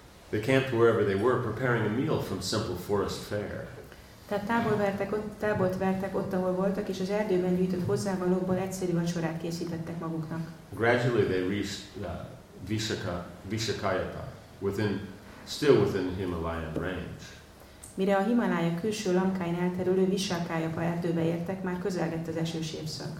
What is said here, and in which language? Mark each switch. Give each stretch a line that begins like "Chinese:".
English: They camped wherever they were, preparing a meal from simple forest fare.
Hungarian: Tehát tábort vertek ott, ahol voltak, és az erdőben gyűjtött hozzávalókból egyszerű vacsorát készítettek maguknak.
English: Gradually they reached Vishakayata, still within Himalayan range.
Hungarian: Mire a Himalája külső lankáin elterülő Vishakayata erdőbe értek, már közelgett az esős évszak.